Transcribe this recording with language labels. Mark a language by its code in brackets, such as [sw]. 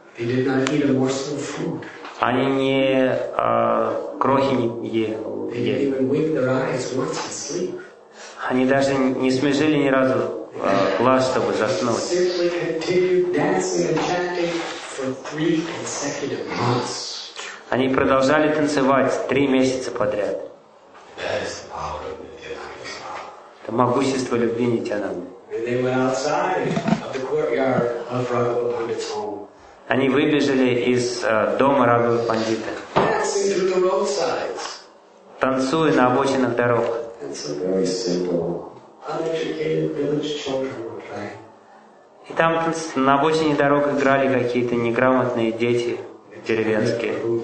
[en] They did not eat a morsel of food. [ru] Они не крохи не ели. [en] They didn't even wink their eyes once to sleep. [ru] Они даже не смежили ни разу глаз, чтобы заснуть. [en] They simply continued dancing and chanting for 3 consecutive months. [ru] Они продолжали танцевать 3 месяца подряд. Это могущество любви Нитянанды. [en] And they went outside of the courtyard of Raghava Pandit's home. [ru] Они выбежали из дома Раговы Пандита. [en] Dancing through the roadsides. [ru] Танцуя на обочинах дорог. [en] And some very simple, uneducated village children were playing. [ru] И там на обочине дорог играли какие-то неграмотные дети деревенские.